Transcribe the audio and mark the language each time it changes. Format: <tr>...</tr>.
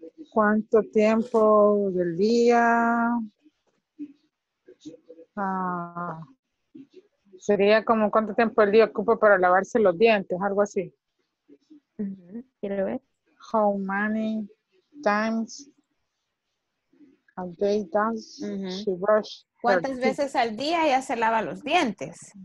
<es>¿Cuánto tiempo del día? Sería como cuánto tiempo del día ocupa para lavarse los dientes, algo así. Quiero ver.</es> <en>How many times a day does she brush?</en> <es>¿Cuántas veces al día ella se lava los dientes?</es>